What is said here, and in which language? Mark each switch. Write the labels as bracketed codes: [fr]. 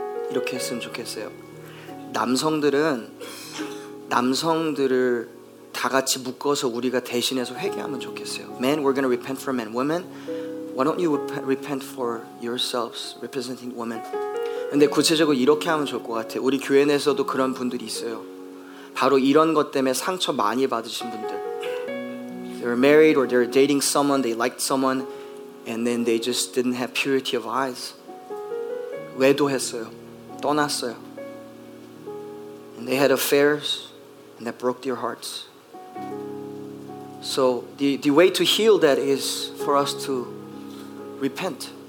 [ko] 이렇게 했으면 좋겠어요. 남성들은 남성들을 다 같이 묶어서 우리가 대신해서 회개하면 좋겠어요. [en] Men, we're going to repent for men. Women, why don't you repent for yourselves representing women? [ko] 근데 구체적으로 이렇게 하면 좋을 것 같아요. 우리 교회 내에서도 그런 분들이 있어요. 바로 이런 것 때문에 상처 많이 받으신 분들. [en] They're married or they're dating someone, they liked someone, and then they just didn't have purity of eyes. [ko] 외도했어요. 떠났어요. [en] And they had affairs and that broke their hearts. So the way to heal that is for us to repent.